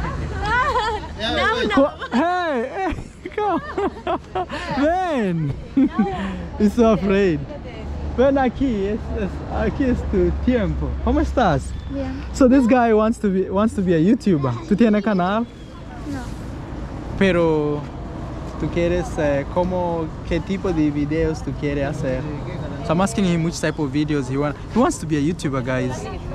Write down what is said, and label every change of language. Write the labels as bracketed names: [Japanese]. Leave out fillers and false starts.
[English] No. Hey, come. Ben, he's so afraid. [Spanish] Ben, aquí es tu tiempo. ¿Cómo estás? Bien. [English] So this guy wants to be a YouTuber. [Spanish] ¿Tú tienes canal? No. Pero, ¿tú quieres cómo qué tipo de videos tú quieres hacer? [English] So I'm asking him which type of videos he wants. He wants to be a YouTuber, guys.